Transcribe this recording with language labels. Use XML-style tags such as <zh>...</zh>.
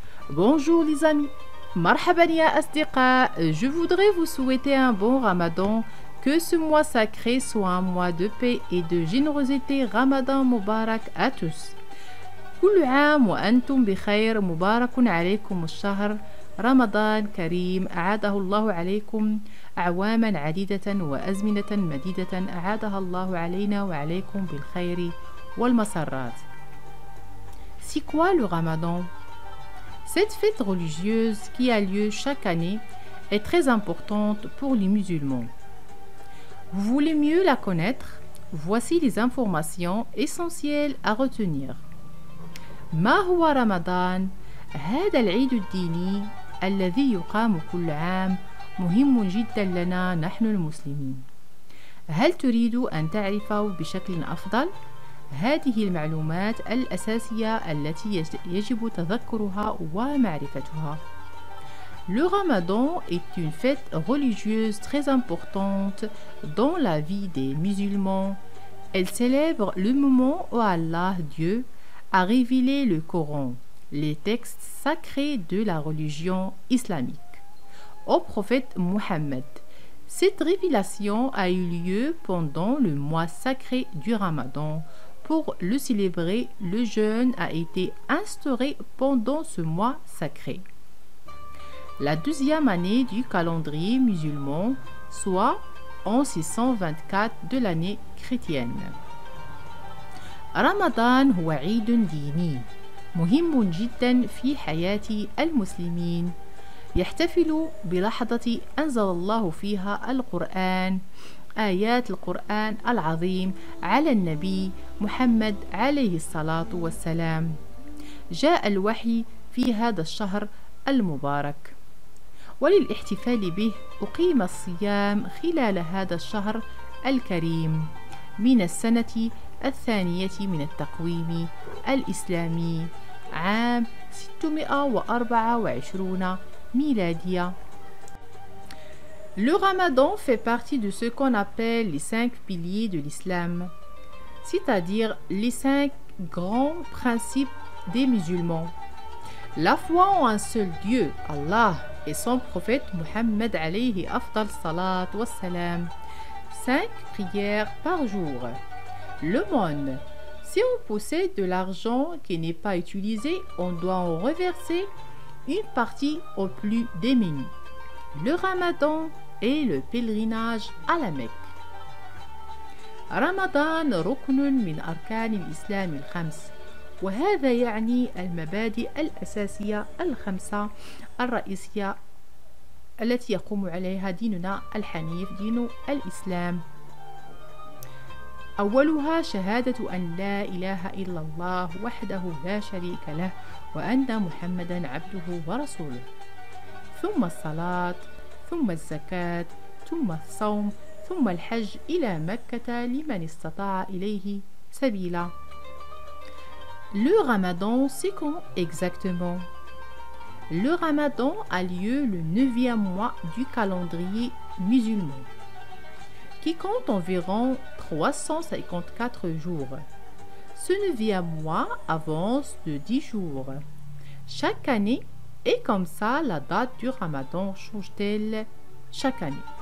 <fr>Bonjour les amis,</fr> <ar>marhaban ya asdiqa,</ar> <fr>je voudrais vous souhaiter un bon ramadan, que ce mois sacré soit un mois de paix et de générosité, ramadan mubarak à tous.</fr> <ar>كل عام وأنتم بخير مبارك عليكم الشهر رمضان كريم أعاده الله عليكم أعواما عديدة وأزمنة مديدة أعادها الله علينا وعليكم بالخير والمسرات.</ar> <fr>C'est quoi le Ramadan? Cette fête religieuse qui a lieu chaque année est très importante pour les musulmans. Vous voulez mieux la connaître? Voici les informations essentielles à retenir.</fr> <ar>ما هو رمضان؟ هذا العيد الديني الذي يقام كل عام مهم جدا لنا نحن المسلمين. هل تريد أن تعرف بشكل أفضل؟ هذه المعلومات الأساسية التي يجب تذكرها ومعرفتها.</ar> <fr>Le Ramadan est une fête religieuse très importante dans la vie des musulmans. Elle célèbre le moment où Allah, Dieu, a révélé le Coran, les textes sacrés de la religion islamique, au prophète Mohammed. Cette révélation a eu lieu pendant le mois sacré du Ramadan. Pour le célébrer, le jeûne a été instauré pendant ce mois sacré. La deuxième année du calendrier musulman, soit en 624 de l'année chrétienne.</fr> <ar>رمضان هو عيد ديني مهم جدا في حياة المسلمين يحتفل بلحظة أنزل الله فيها القرآن آيات القرآن العظيم على النبي محمد عليه الصلاة والسلام جاء الوحي في هذا الشهر المبارك وللاحتفال به أقيم الصيام خلال هذا الشهر الكريم من السنة الثانية من التقويم الإسلامي عام 624 ميلادية.</ar> <fr>Le Ramadan fait partie de ce qu'on appelle les cinq piliers de l'islam, c'est-à-dire les cinq grands principes des musulmans. La foi en un seul Dieu, Allah, et son prophète Muhammad</fr> <ar>alayhi afdal salat wa salam.</ar> <fr>Cinq prières par jour. Le monde. Si on possède de l'argent qui n'est pas utilisé, on doit en reverser une partie aux plus démunis. Le Ramadan et le pèlerinage à la Mecque.</fr> <ar>Ramadan ركن من أركان الإسلام الخمس وهذا يعني المبادئ الأساسية الخمسة الرئيسية التي يقوم عليها ديننا الحنيف دين الإسلام. أولها شهادة أن لا إله إلا الله وحده لا شريك له وأن محمدا عبده ورسوله ثم الصلاة ثم الزكاة ثم الصوم ثم الحج إلى مكة لمن استطاع إليه سبيلا.</ar> <fr>Le Ramadan c'est quand exactement? Le Ramadan a lieu le 9e mois du calendrier musulman, qui compte environ 354 jours. Ce 9e mois avance de 10 jours. Chaque année, et comme ça, la date du Ramadan change-t-elle chaque année.</fr>